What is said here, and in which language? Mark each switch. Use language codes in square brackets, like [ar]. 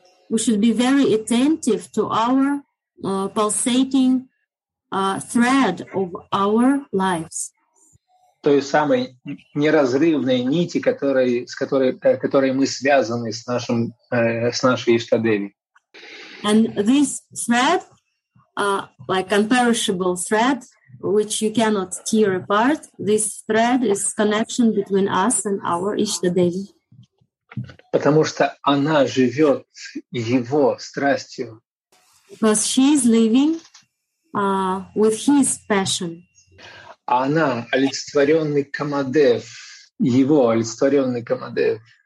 [en] We should be very attentive to our pulsating thread of our lives. [ru] Той самой неразрывной нити, с которой мы связаны с нашей Иштадеви. [en] And this thread, like imperishable thread, which you cannot tear apart, this thread is connection between us and our Иштадеви. [ru] Потому что она живет его страстью. [en] Because she is living with his passion. [ru] Она олицетворенный Камадев, его олицетворенный Камадев.